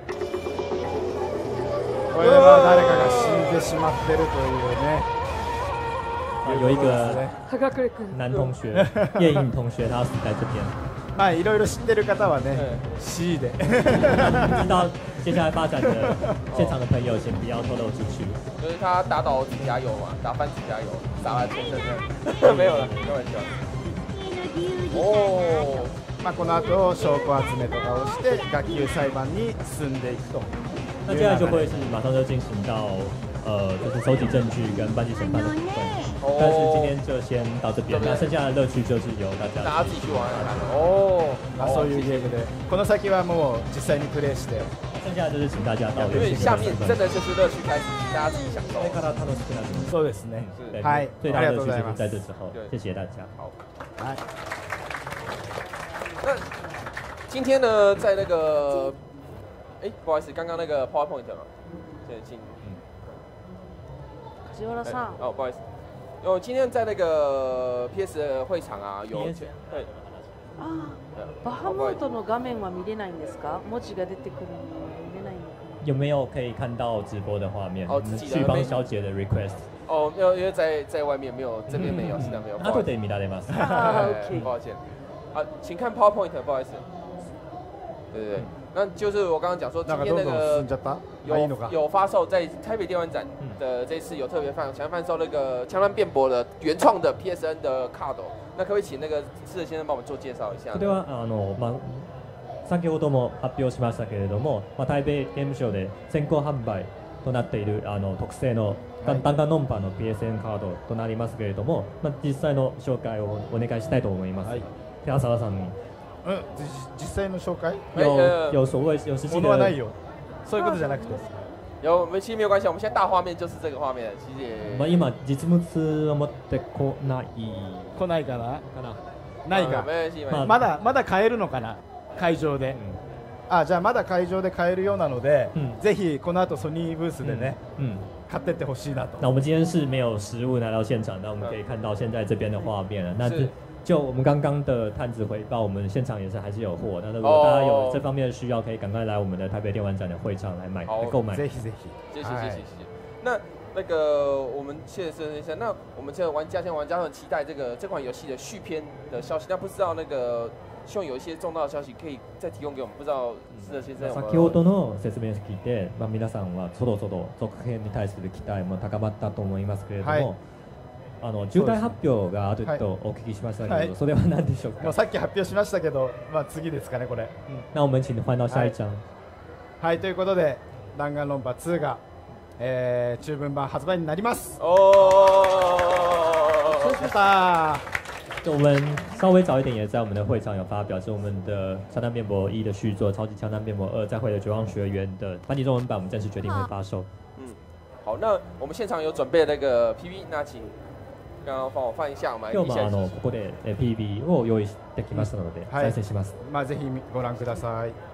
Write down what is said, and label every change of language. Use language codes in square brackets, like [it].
[ja] これは誰かが死んでしまってるというね。 [zh] 有一个男同学，夜影同学，他死在这边。 [ja] はい、いろいろ知ってる方はね、C で。 [zh] 知道接下来发展的现场的朋友，先不要透露出去。就是他打倒指甲油嘛，打翻指甲油，打翻全身的。没有了，开玩笑。 [ja] 哦，那この後証拠集めとかをして学級裁判に進んでいくと。 [zh] 那接下来就会是马上就进行到就是收集证据跟办理审判的部分。但是今天就先到这边，那剩下的乐趣就是由大家自己去玩了。哦， [ja] 那そういうゲームで、この先はもう実際にプレイして。 [zh] 剩下的就是请大家到。因为下面真的就是乐趣开始，大家自己享受。 [ja] それから楽しくなる。そうですね。はい。 [zh] 最大的乐趣就是在这之后。谢谢大家。好。来。那今天呢，在那个，哎，不好意思，刚刚那个 PowerPoint 嘛，对，请， [ja] 吉原さん， [zh] 哦，不好意思，因为今天在那个 PS 会场啊，有，对， [ja] 啊，バハムートの画面は見れないんですか？文字が出てくるのは見れないのか？ [zh] 有没有可以看到直播的画面？哦，自己的，去帮小姐的 request。哦，因为在外面没有，这边没有，现在没有， [ja] 那就得見られます。 [en] OK， [zh] 抱歉。啊，请看 PowerPoint， 不好意思。对对对，那就是我刚刚讲说，今天那个有发售在台北电玩展的这次有特别贩售那个《枪乱辩驳》的原创的 PSN 的 card， 那可不可以请那个志先生帮我们做介绍一下？对啊， [ja] まあ先ほども発表しましたけれども、まあ台北ゲームショーで先行販売となっている特製の。ダンガノンパの PSN カードとなりますけれども、まあ、実際の紹介をお願いしたいと思います。はい、手浅さんに。うん、実際の紹介？ [zh] 有所谓有实际的。 [ja] 物はないよ。そういうことじゃなくて。 [zh] 有，其实没有关系。我们现在大画面就是这个画面，其实。 [ja] まあ今実物は持ってこない。来ないかな？かな。ないか。まだ買えるのかな？会場で。うん、あ、じゃあまだ会場で買えるようなので、うん、ぜひこの後ソニーブースでね。うん。うん、買ってってほしいなと。 [zh] 那我们今天是没有实物拿到现场，那我们可以看到现在这边的画面了。那就我们刚刚的探子回报，我们现场也是还是有货。那如果大家有这方面的需要，可以赶快来我们的台北电玩展的会场来买、购买。谢谢谢谢谢谢谢谢。那个我们确实一下，那我们这个玩家很期待这款游戏的续篇的消息。那不知道那个。希望有一些重大的消息可以再提供给我们。不知道志德先生有没有？ [ja] 先ほどの説明を聞いて、まあ皆さんはそろそろ続編に対する期待も高まったと思いますけれども、重大発表があるとお聞きしましたけど、はい、それは何でしょうか？もうさっき発表しましたけど、まあ次ですかねこれ。 [zh] 那我们请欢迎下一章。 [ja] はい、ということで、弾丸論破2が、中文版発売になります。おお。出た。 [zh] 就我们稍微早一点也在我们的会场有发表，是我们的《枪弹辩驳一》的续作《超级枪弹辩驳二》再会的绝望学员的繁体中文版，我们正式决定会发售。嗯，好，那我们现场有准备那个 PV， 那请刚刚帮我放一下，我们来比一下。 [ja] 今日もここで PV を用意してきましたので、再生します。まあぜひご覧ください。